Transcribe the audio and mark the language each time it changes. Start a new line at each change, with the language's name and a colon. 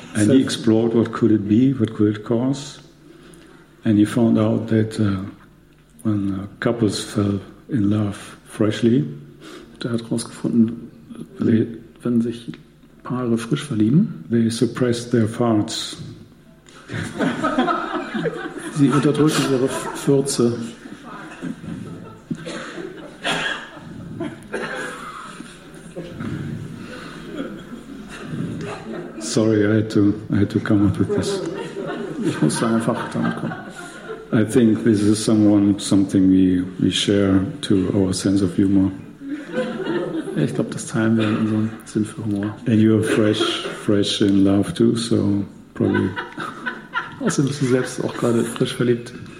English: And he explored what could it be, what could it cause. And he found out that when couples fell in love freshly,
German: der hat herausgefunden, wenn sich Paare frisch verlieben,
English: they suppressed their farts.
German: Sie unterdrücken ihre Fürze.
English: Sorry, I had to come up with this.
German: Ich musste einfach damit kommen.
English: I think this is something we share to our sense of humor.
German: Ich glaube, das teilen wir in unserem Sinn für Humor.
English: And you are fresh in love too, so probably.
German: Außerdem bist du selbst auch gerade frisch verliebt.